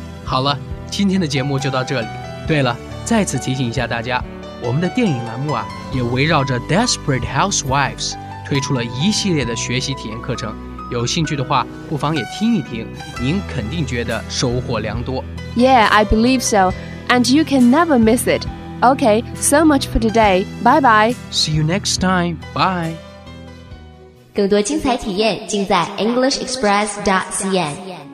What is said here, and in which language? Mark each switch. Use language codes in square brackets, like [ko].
[zh] 好了，今天的节目就到这里。对了，再次提醒一下大家，我们的电影栏目啊，也围绕着 Desperate Housewives 推出了一系列的学习体验课程，有兴趣的话不妨也听一听，您肯定觉得收获良多。 [en] Yeah, I believe so, and you can never miss it. Okay, so much for today, bye bye. See you next time, bye. [zh] 更多精彩体验尽在 EnglishExpress.cn